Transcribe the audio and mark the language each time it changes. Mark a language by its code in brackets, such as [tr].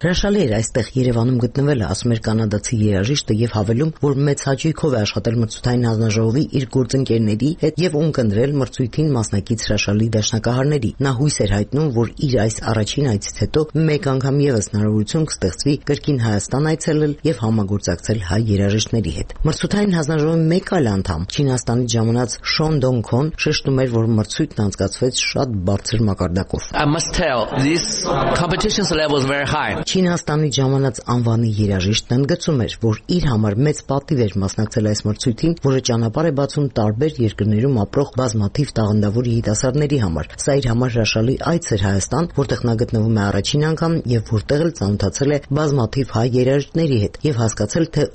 [hy] Հրաշալի էր այստեղ Երևանում գտնվելը, ասում էր կանադացի երաժիշտը եւ հավելում, որ մեծ հաճույքով է աշխատել մրցութային հանձնաժողովի իր գործընկերների հետ եւ ունկնդրել մրցույթին մասնակից հրաշալի դաշնակահարների։ Նա հույս էր հայտնում, որ իր այս առաջին այցից հետո մեկ անգամ եւս հնարավորություն կստեղծվի կրկին Հայաստան այցելել եւ համագործակցել հայ երաժիշտների հետ։ Մրցութային հանձնաժողովի մեկ այլ անդամ, Չինաստանից ժամանած Շոն Դոնքոն, շեշտում էր, որ մրցույթն անցկացվեց շատ բարձր մակարդակով։ [en] I must tell, this competition's level is very high. [hy] Չինաստանից ժամանած անվանի երաժիշտն ընդգծում էր, որ իր համար մեծ պատիվ էր մասնակցել այս մրցույթին, որը ճանապարհ է բացում տարբեր երկրներում ապրող բազմաթիվ տաղանդավոր երիտասարդների համար։ Սա իր համար հրաշալի այց էր Հայաստան, որտեղ նա գտնվում է առաջին անգամ եւ որտեղ էլ ծանոթացել է բազմաթիվ հայ երաժիշտների հետ եւ հասկացել, թե